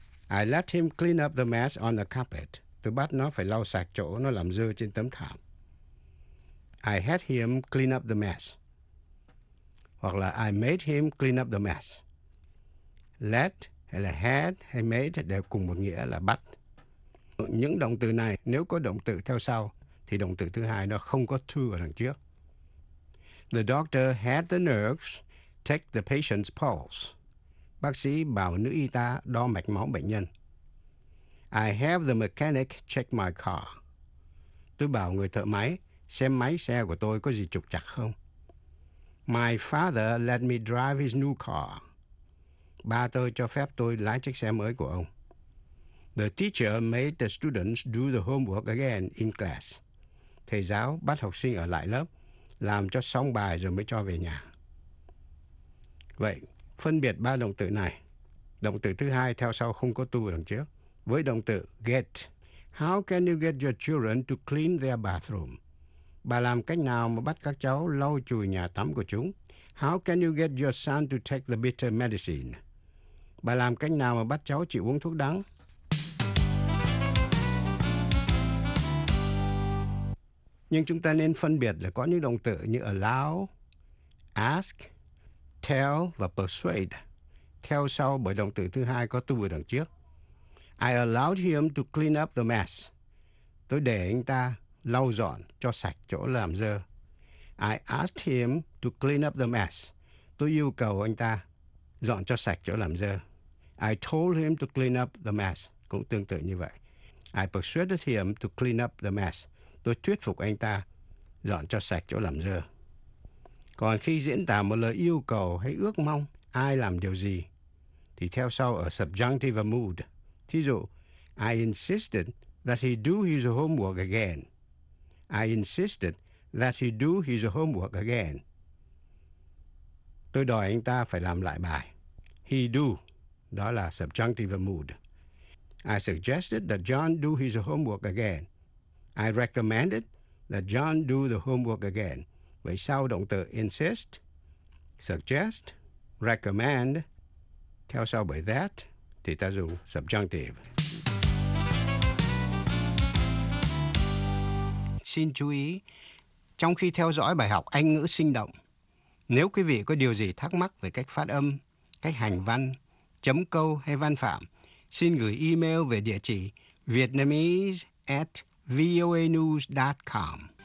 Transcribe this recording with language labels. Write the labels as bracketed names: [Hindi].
[English] I let him clean up the mess on the carpet. [Vietnamese] Tôi bắt nó phải lau sạch chỗ nó làm dơ trên tấm thảm. [English] I had him clean up the mess. [Vietnamese] Hoặc là [English] I made him clean up the mess. [Vietnamese] Let hay là had hay made đều cùng một nghĩa là bắt. Những động từ này nếu có động từ theo sau thì động từ thứ hai nó không có to ở đằng trước. [English] The doctor had the nurse take the patient's pulse. [Vietnamese] Bác sĩ bảo nữ y tá đo mạch máu bệnh nhân. [English] I have the mechanic check my car. [Vietnamese] Tôi bảo người thợ máy xem máy xe của tôi có gì trục trặc không. [English] My father let me drive his new car. [Vietnamese] Ba tôi cho phép tôi lái chiếc xe mới của ông. [English] The teacher made the students do the homework again in class. [Vietnamese] Thầy giáo bắt học sinh ở lại lớp, làm cho xong bài rồi mới cho về nhà. Vậy, phân biệt ba động từ này. Động từ thứ hai theo sau không có to đằng trước. Với động từ get, [English] how can you get your children to clean their bathroom? [Vietnamese] Bà làm cách nào mà bắt các cháu lau chùi nhà tắm của chúng? [English] How can you get your son to take the bitter medicine? [Vietnamese] Bà làm cách nào mà bắt cháu chịu uống thuốc đắng? Nhưng chúng ta nên phân biệt là có những động từ như allow, ask, tell và persuade. Theo sau bởi động từ thứ hai có to ở đằng trước. [English] I allowed him to clean up the mess. [Vietnamese] Tôi để anh ta lau dọn cho sạch chỗ làm dơ. [English] I asked him to clean up the mess. [Vietnamese] Tôi yêu cầu anh ta dọn cho sạch chỗ làm dơ. [English] I told him to clean up the mess. [Vietnamese] Cũng tương tự như vậy. [English] I persuaded him to clean up the mess. [Vietnamese] Tôi thuyết phục anh ta dọn cho sạch chỗ làm dơ. Còn khi diễn tả một lời yêu cầu hay ước mong ai làm điều gì, thì theo sau ở subjunctive mood. Thí dụ, [English] I insisted that he do his homework again. I insisted that he do his homework again. [Vietnamese] Tôi đòi anh ta phải làm lại bài. [English] He do, [Vietnamese] đó là subjunctive mood. [English] I suggested that John do his homework again. I recommended that John do the homework again. [Vietnamese] Vậy sau động từ insist, suggest, recommend, theo sau bởi that, thì ta dùng subjunctive. Xin chú ý, trong khi theo dõi bài học Anh ngữ sinh động, nếu quý vị có điều gì thắc mắc về cách phát âm, cách hành văn, chấm câu hay văn phạm, xin gửi email về địa chỉ vietnamese@voanews.com.